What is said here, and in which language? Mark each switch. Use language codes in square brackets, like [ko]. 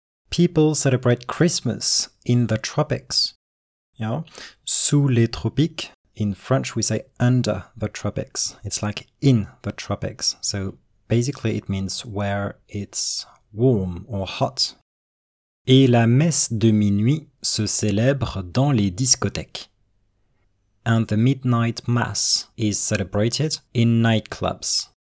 [en] People celebrate Christmas in the tropics. Yeah? [fr] Sous les tropiques, [en] in French we say under the tropics. It's like in the tropics. So basically it means where it's warm or hot. [fr] Et la messe de minuit se célèbre dans les discothèques. [en] And the midnight mass is celebrated in nightclubs.